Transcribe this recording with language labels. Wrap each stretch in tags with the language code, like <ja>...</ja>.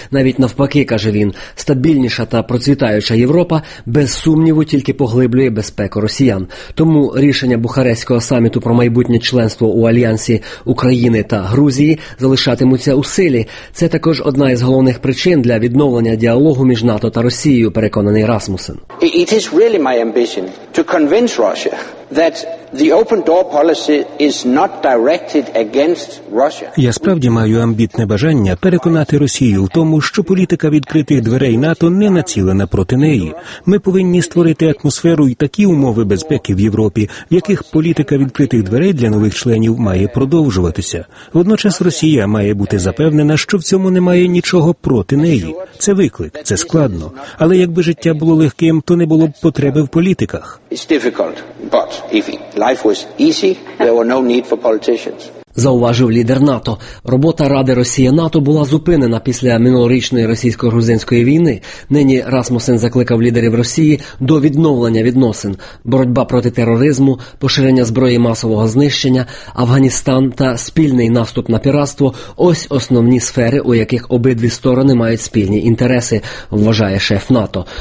<uk>Навіть навпаки, каже він, стабільніша та процвітаюча Європа без сумніву тільки поглиблює безпеку росіян. Тому рішення Бухарестського саміту про майбутнє членство у Альянсі України та Грузії залишатимуться у силі. Це також одна із головних причин для відновлення діалогу між НАТО та Росією, переконаний Расмусен.</uk> <en>It is really my ambition to convince Russia that the open door policy is not directed against Russia.</en> <uk>Я справді маю амбітне бажання переконати Росію в тому, що політика відкритих дверей НАТО не націлена проти неї. Ми повинні створити атмосферу і такі умови безпеки в Європі, в яких політика відкритих дверей для нових членів має продовжуватися. Водночас Росія має бути запевнена, що в цьому немає нічого проти неї. Це виклик, це складно. Але якби життя було легким, то не було б потреби в політиках.</uk> <en>It's difficult, but if life was easy, there were no need for politicians.</en> <uk>Зауважив лідер НАТО. Робота Ради Росія-НАТО була зупинена після минулорічної російсько-грузинської війни. Нині Расмусен закликав лідерів Росії до відновлення відносин. Боротьба проти тероризму, поширення зброї масового знищення, Афганістан та спільний наступ на піратство – ось основні сфери, у яких обидві сторони мають спільні інтереси, вважає шеф НАТО.</uk>